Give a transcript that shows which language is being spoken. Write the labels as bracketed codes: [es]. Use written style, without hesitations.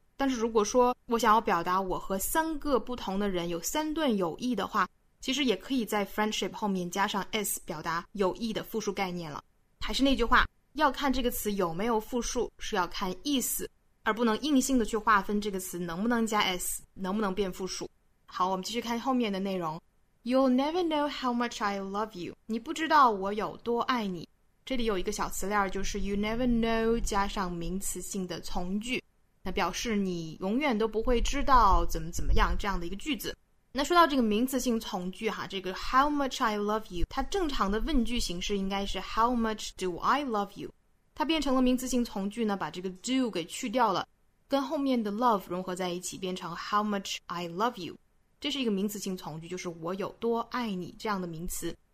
[zh] 但是如果说我想要表达我和三个不同的人有三段友谊的话，其实也可以在 friendship 后面加上 s 表达友谊的复数概念了。还是那句话，要看这个词有没有复数，是要看意思，而不能硬性的去划分这个词能不能加 s， 能不能变复数。好，我们继续看后面的内容。 [en] You'll never know how much I love you， [zh] 你不知道我有多爱你。这里有一个小词链，就是 [en] you never know [zh] 加上名词性的从句，那表示你永远都不会知道怎么怎么样这样的一个句子。那说到这个名词性从句哈，这个 [en] how much I love you， [zh] 它正常的问句形式应该是 [en] how much do I love you， [zh] 它变成了名词性从句呢，把这个 do 给去掉了，跟后面的 love 融合在一起，变成 how much I love you， 这是一个名词性从句，就是我有多爱你这样的名词。